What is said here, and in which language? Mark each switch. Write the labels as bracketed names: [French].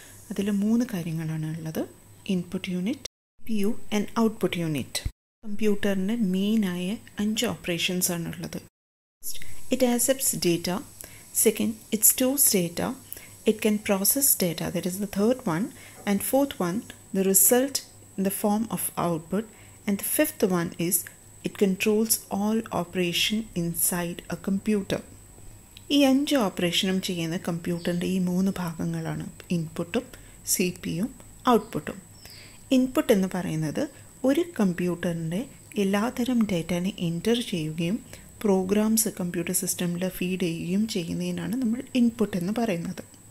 [Malayalam] അതിൽ മൂന്ന് കാര്യങ്ങളാണ് ഉള്ളത്: input unit, CPU and output unit. കമ്പ്യൂട്ടറിൻ്റെ മെയിനായ അഞ്ച് ഓപ്പറേഷൻസ് ആണുള്ളത്. [English] It accepts data. Second, it stores data. It can process data, that is the third one. And fourth one, [Malayalam] the result [English] in the form of output, and the fifth one is it controls all operation inside a computer. [Malayalam] ഈ അഞ്ച് ഓപ്പറേഷനും ചെയ്യുന്ന കമ്പ്യൂട്ടറിൻ്റെ ഈ മൂന്ന് ഭാഗങ്ങളാണ് ഇൻപുട്ടും സിപിയും ഔട്ട്പുട്ടും. Input എന്ന് പറയുന്നത് ഒരു കമ്പ്യൂട്ടറിൻ്റെ എല്ലാതരം ഡേറ്റനെ എൻറ്റർ ചെയ്യുകയും പ്രോഗ്രാംസ് കമ്പ്യൂട്ടർ സിസ്റ്റമിൽ ഫീഡ് ചെയ്യുകയും ചെയ്യുന്നതിനാണ് നമ്മൾ ഇൻപുട്ട് എന്ന് പറയുന്നത്.